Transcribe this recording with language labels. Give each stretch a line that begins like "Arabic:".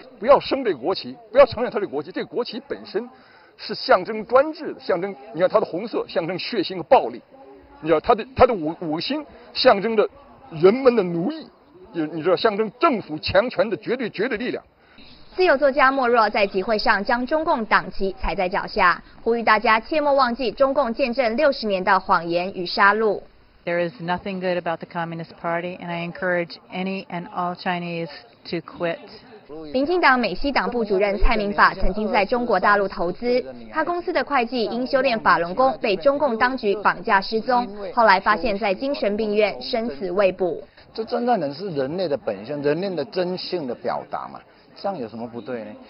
Chinese: 不要升这个国旗，不要承认他的国旗，这个国旗本身是象征专制的，象征，你看它的红色象征血腥和暴力，你知道它的五星象征着人们的奴役，你知道象征政府强权的绝对力量。自由作家莫若在集会上将中共党旗踩在脚下，呼吁大家切莫忘记中共见证60年的谎言与杀戮。
English: There is nothing good about the Communist Party, and I encourage any and all Chinese to quit.
Chinese: 民进党美西党部主任蔡明法曾经在中国大陆投资，他公司的会计因修炼法轮功被中共当局绑架失踪，后来发现在精神病院，生死未卜。这真正的是人类的本性，人类的真性的表达嘛，这样有什么不对呢？